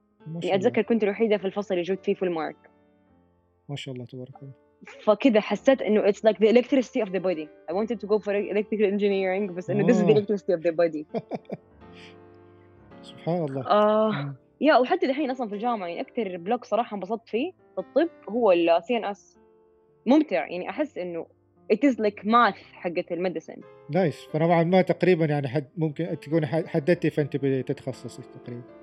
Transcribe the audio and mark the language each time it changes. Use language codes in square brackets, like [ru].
[ar] يعني اتذكر كنت الوحيده في الفصل اللي جود فيه فول مارك. ما شاء الله تبارك الله. فكده حسيت انه [en] it's like the electricity of the body. I wanted to go for electrical engineering [ar] بس انه [en] this is the electricity of the body. [ar] سبحان الله. يا وحتى الحين اصلا في الجامعه يعني اكثر بلوك صراحه انبسطت فيه في الطب هو ال CNS. ممتع يعني احس انه [en] it is like math [ar] حقت المدسن. نايس. فنوعا ما تقريبا يعني حد ممكن تكون حددتي فانت بدي تتخصصي تقريبا